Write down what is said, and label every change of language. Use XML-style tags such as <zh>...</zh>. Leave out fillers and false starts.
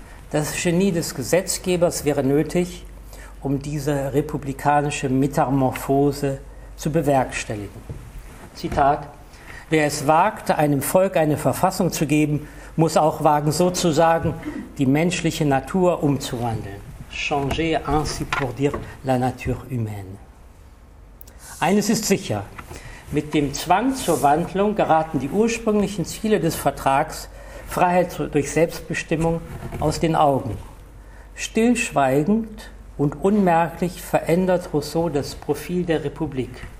<de>Das Genie des Gesetzgebers wäre nötig, um diese republikanische Metamorphose zu bewerkstelligen. Zitat: Wer es wagt, einem Volk eine Verfassung zu geben, muss auch wagen, sozusagen die menschliche Natur umzuwandeln.</de> <fr>Changer ainsi pour dire la nature humaine.</fr> <de>Eines ist sicher: Mit dem Zwang zur Wandlung geraten die ursprünglichen Ziele des Vertrags, Freiheit durch Selbstbestimmung, aus den Augen. Stillschweigend und unmerklich verändert Rousseau das Profil der Republik.</de>